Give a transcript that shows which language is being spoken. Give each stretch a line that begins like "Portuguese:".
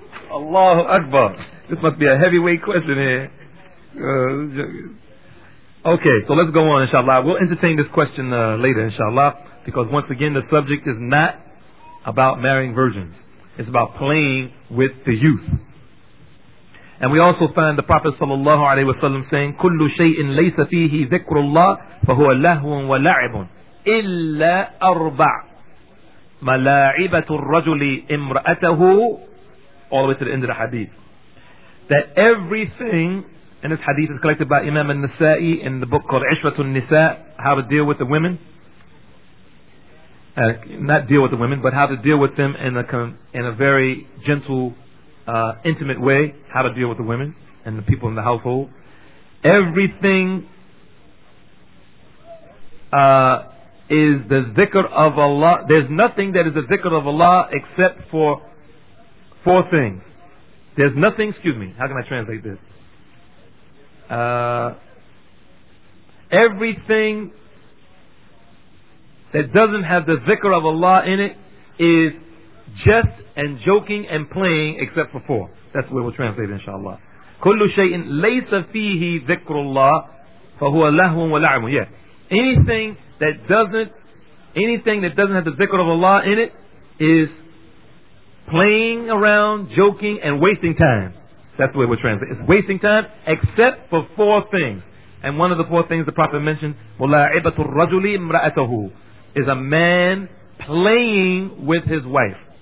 English: Allahu Akbar. This must be a heavyweight question here. Okay, so let's go on, inshallah. We'll entertain this question later, inshallah, because once again, the subject is not about marrying virgins. It's about playing with the youth. And we also find the Prophet sallallahu alaihi wasallam saying,
Arabic: كُلُّ شَيْءٍ لَيْسَ فِيهِ ذِكْرُ اللَّهِ فَهُوَ لَهْوٌ وَلَعِبٌ إِلَّا أَرْبَعٌ مَلَاعِبَةُ الرَّجُلِ إِمْرَأَتَهُ.
English: All the way to the end of the hadith. That everything, and this hadith is collected by Imam al-Nisa'i in the book called Ishwatul Nisa, how to deal with the women. Not deal with the women, but how to deal with them in a very gentle, intimate way, how to deal with the women and the people in the household. Everything is the zikr of Allah. There's nothing that is the zikr of Allah except for four things. There's nothing, excuse me, how can I translate this? Everything that doesn't have the zikr of Allah in it is jest and joking and playing, except for four. That's the way we'll translate it, inshallah.
Arabic: كل شيء ليس فيه ذكر الله فهو لهو ولعب.
English: Yeah. Anything that doesn't have the ذكر of Allah in it is playing around, joking, and wasting time. That's the way we translate. It's wasting time, except for four things. And one of the four things the Prophet mentioned,
Arabic: مُلَاعِبَةُ الرَّجُلِ امْرَأَتَهُ,
English: is a man playing with his wife.